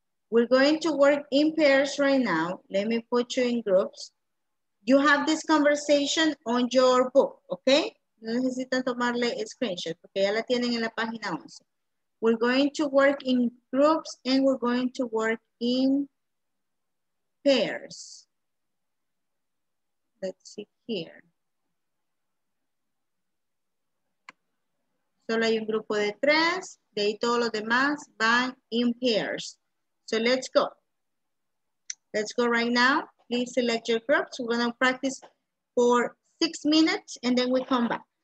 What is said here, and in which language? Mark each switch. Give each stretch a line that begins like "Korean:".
English: We're going to work in pairs right now. Let me put you in groups. You have this conversation on your book, okay?
Spanish: No necesitan tomarle screenshot porque ya la tienen en la página 11.
English: We're going to work in groups and we're going to work in pairs. Let's see here.
Spanish: Solo hay un grupo de tres, de ahí todos los demás van
English: in pairs. So let's go. Let's go right now. Please select your groups. We're gonna practice for 6 minutes and then we come back.